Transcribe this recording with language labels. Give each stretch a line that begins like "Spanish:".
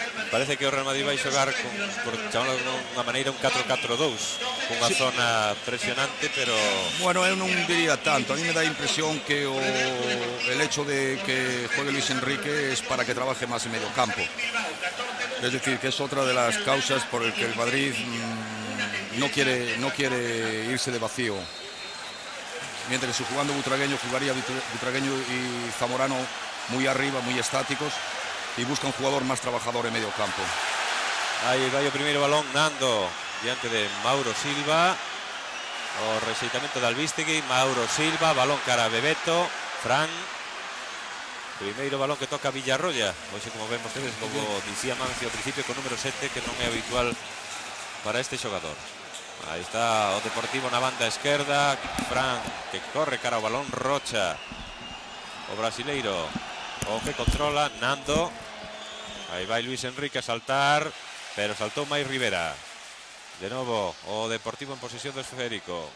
Galician: Parece que o Real Madrid vai xogar por chamalo de unha maneira un 4-4-2, cunha zona presionante, pero...
Spanish: Bueno,
Galician: eu non diría tanto,
Spanish: a mí me dá a impresión que el hecho de que juegue Luis Enrique es para que trabaje más en medio campo. Es decir, que es otra de las causas por el que el Madrid no quiere irse de vacío. Mientras que jugando Butragueño, jugaría Butragueño y Zamorano muy arriba, muy estáticos, y busca un jugador más trabajador en medio campo. Ahí va el primer balón, Nando,
Galician: diante de Mauro Silva. O rexeitamento de Albistegui, Mauro Silva, balón cara a Bebeto, Fran. Primeiro balón que toca Villarroya. Hoxe, como vemos, é como dicía Mancio ao principio, con número 7, que non é habitual para este xogador. Aí está o Deportivo na banda esquerda. Fran, que corre cara ao balón. Rocha, o brasileiro, o que controla Nando. Aí vai Luis Enrique a saltar, pero saltou máis Rivera. De novo, o Deportivo en posición do esférico.